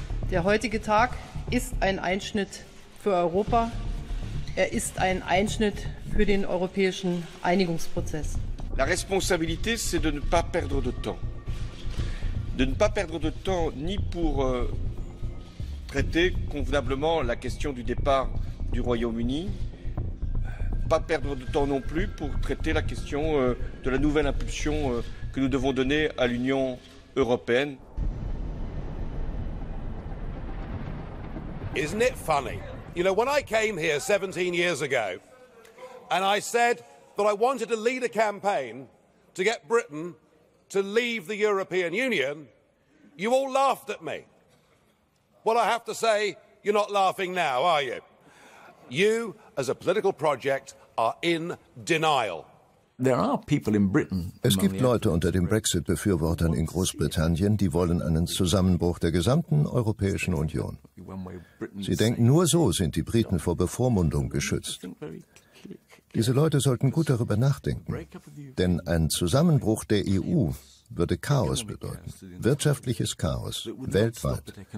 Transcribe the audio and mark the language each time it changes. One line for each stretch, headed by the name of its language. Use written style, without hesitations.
German: Der heutige Tag ist ein Einschnitt für Europa. Er ist ein Einschnitt für den europäischen Einigungsprozess.
French: La responsabilité, c'est de ne pas perdre de temps. De ne pas perdre de temps ni pour traiter convenablement la question du départ du Royaume-Uni, pas perdre de temps non plus pour traiter la question de la nouvelle impulsion que nous devons donner à l'Union européenne.
English: Isn't it funny? You know, when I came here 17 years ago, and I said that I wanted to lead a campaign to get Britain to leave the European Union, you all laughed at me. Well, I have to say, you're not laughing now, are you? You, as a political project, are in denial. There are people in Britain.
German: Es gibt Leute unter den Brexit-Befürwortern in Großbritannien, die wollen einen Zusammenbruch der gesamten Europäischen Union. Sie denken, nur so sind die Briten vor Bevormundung geschützt. Diese Leute sollten gut darüber nachdenken, denn ein Zusammenbruch der EU würde Chaos bedeuten, wirtschaftliches Chaos, weltweit.